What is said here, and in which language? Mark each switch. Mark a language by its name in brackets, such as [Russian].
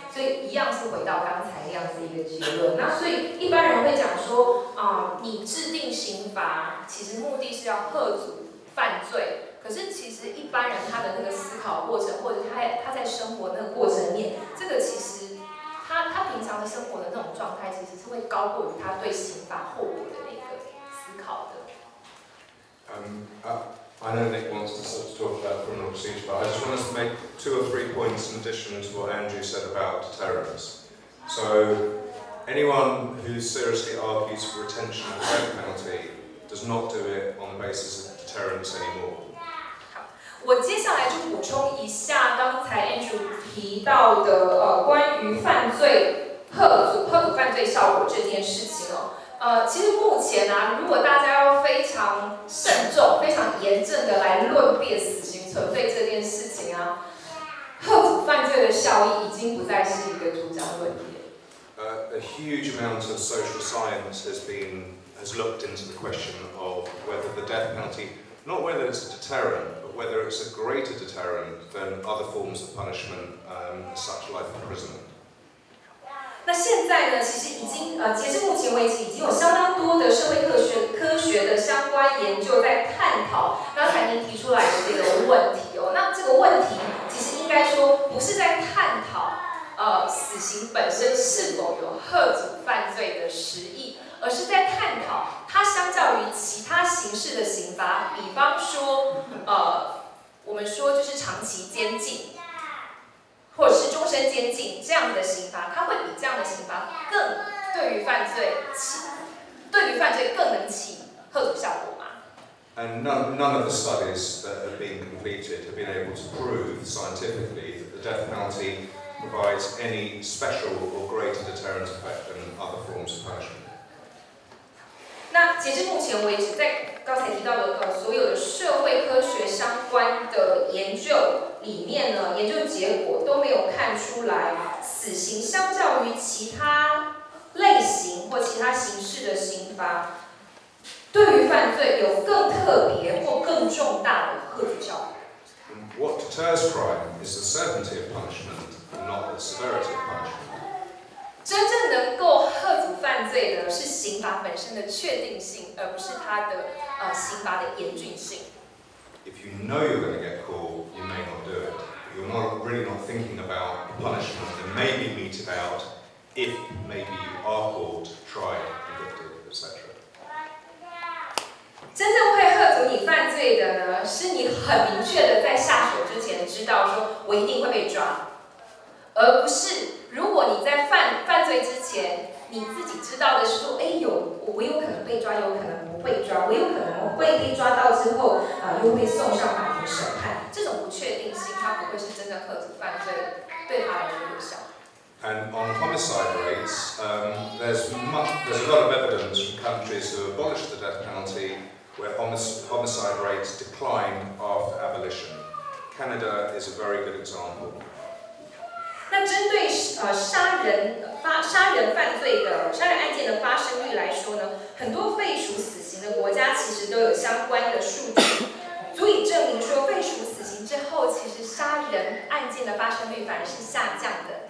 [Chinese] 所以一样是回到刚才那样子一个结论。那所以一般人会讲说，你制定刑罚其实目的是要吓阻犯罪。可是其实一般人他的那个思考过程，或者他在生活那个过程里面，这个其实。他平常的生活的那种状态，其实是会高过于他对刑罚后果的那个思考的。 [English] I know Nick wants to sort of talk about criminal procedure, but I just want to make two or three points in addition to what Andrew said about deterrence. So, anyone who seriously argues for retention of the death penalty does not do it on the basis of deterrence anymore. [Chinese] 好，我接下来就补充一下刚才 Andrew提到的关于犯罪吓阻犯罪效果这件事情哦，其实目前啊，如果大家要非常慎重、非常严正的来论辩死刑存废这件事情啊，吓阻犯罪的效益已经不再是一个主角论点。 [English] A huge amount of social science has looked into the question of whether the death penalty, not whether it's a deterrent. Whether it's a greater deterrent than other forms of punishment, such life imprisonment. [Chinese] 那现在呢？其实已经截至目前为止，已经有相当多的社会科学的相关研究在探讨刚才您提出来的这个问题哦。那这个问题其实应该说不是在探讨死刑本身是否有吓阻犯罪的实意，而是在探讨。它相较于其他形式的刑罚，比方说，我们说就是长期监禁，或者是终身监禁这样的刑罚，它会比这样的刑罚更对于犯罪更能起吓阻效果吗 [English] ？And none of the studies that have been completed have been able to prove scientifically that the death penalty provides any special or greater deterrent effect than other forms of punishment. [Chinese] 那截至目前为止，在刚才提到的所有的社会科学相关的研究里面呢，研究结果都没有看出来死刑相较于其他类型或其他形式的刑罚，对于犯罪有更特别或更重大的吓阻效果。 [English] What deters crime is the certainty of punishment, not the severity of punishment. [Chinese] 真正能够吓阻犯罪的是刑罚本身的确定性，而不是它的刑罚的严峻性。 [English] If you know you're going to get caught, you may not do it. You're not really not thinking about the punishment that may be meted out if maybe you are caught, tried, convicted, etc. [Chinese] 真正会吓阻你犯罪的呢，是你很明确的在下手之前知道说我一定会被抓，而不是。如果你在犯罪之前，你自己知道的是说，哎呦，我有可能被抓，有可能不被抓，我有可能会被抓到之后，又会送上法庭审判，这种不确定性，它不会是真的吓阻犯罪，对他来说有效。 [English] And on homicide rates, there's a lot of evidence from countries who abolished the death penalty where homicide rates decline after abolition. Canada is a very good example. [Chinese] 那针对杀人案件的发生率来说呢，很多废除死刑的国家其实都有相关的数据，足以证明说废除死刑之后，其实杀人案件的发生率反而是下降的。